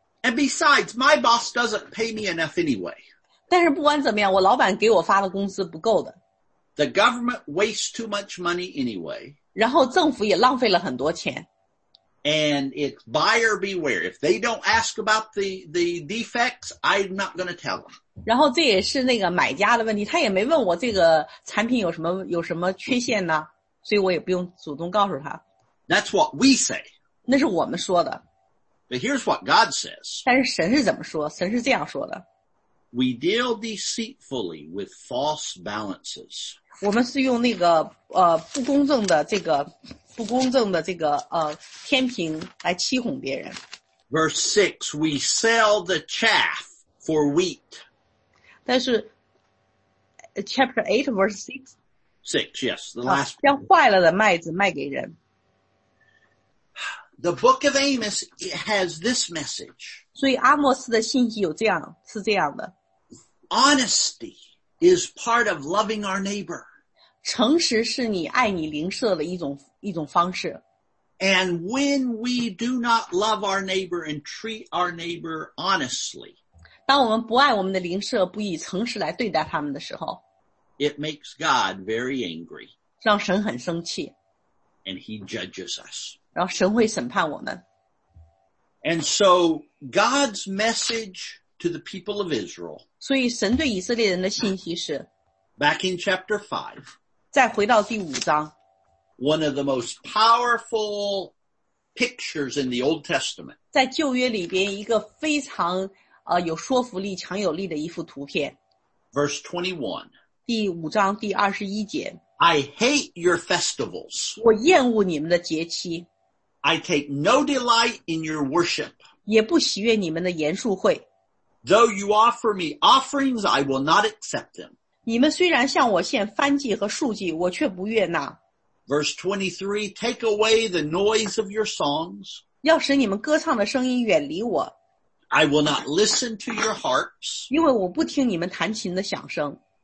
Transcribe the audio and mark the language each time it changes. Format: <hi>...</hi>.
<en>And besides, my boss doesn't pay me enough anyway.</en> <zh>但是不管怎么样，我老板给我发的工资不够的。</zh> <en>The government wastes too much money anyway.</en> <zh>然后政府也浪费了很多钱。</zh> <en>And it's buyer beware. If they don't ask about the defects, I'm not going to tell them.</en> <zh>然后这也是那个买家的问题，他也没问我这个产品有什么缺陷呢，所以我也不用主动告诉他。</zh> <en>That's what we say.</en> <zh>那是我们说的。</zh> <en>But here's what God says.</en> <zh>但是神是怎么说？神是这样说的。</zh> <en>We deal deceitfully with false balances.</en> <zh>我们是用那个不公正的这个不公正的这个天平来欺哄别人。</zh> <en>Verse 6, we sell the chaff for wheat.</en> <zh>但是</zh> <en>chapter 8 verse 6. 6, yes, the last.</en> <zh>将坏了的麦子卖给人。</zh> <en>The book of Amos has this message.</en> <zh>所以阿莫斯的信息有这样，是这样的。</zh> <en>Honesty is part of loving our neighbor.</en> <zh>诚实是你爱你邻舍的一种方式。</zh> <en>And when we do not love our neighbor and treat our neighbor honestly,</en> <zh>当我们不爱我们的邻舍，不以诚实来对待他们的时候，</zh> <en>it makes God very angry.</en> <zh>让神很生气。</zh> <en>And he judges us.</en> <zh>然后神会审判我们。</zh> <en>And so God's message to the people of Israel.</en> <zh>所以神对以色列人的信息是。</zh> <en>Back in chapter 5.</en> <zh>再回到第五章。</zh> <en>One of the most powerful pictures in the Old Testament.</en> <zh>在旧约里边一个非常有说服力强有力的一幅图片。</zh> <en>Verse 21.</en> <zh>第五章第二十一节。</zh> <en>I hate your festivals.</en> <zh>我厌恶你们的节期。</zh> <en>I take no delight in your worship.</en> <zh>也不喜悦你们的筵束会。</zh> <en>Though you offer me offerings, I will not accept them.</en> <zh>你们虽然向我献燔祭和束祭，我却不悦纳。</zh> <en>Verse 23, take away the noise of your songs.</en> <zh>要使你们歌唱的声音远离我。</zh> <en>I will not listen to your harps.</en> <zh>因为我不听你们弹琴的响声。</zh>